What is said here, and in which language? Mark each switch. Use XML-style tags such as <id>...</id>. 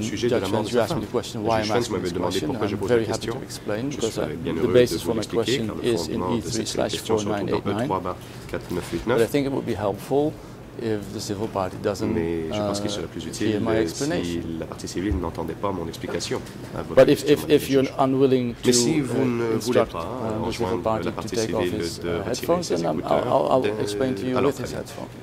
<en>Judge, you asked me the question why I'm asking this question. I'm very happy to explain because the basis for my question is in E3/4989. But I think it would be helpful if the civil party doesn't hear my explanation.</en> <fr>Si la partie civile n'entendait pas mon explication.</fr> <en>But if you're unwilling to instruct the civil party to take off his headphones, then I'll explain to you with his headphones.</en>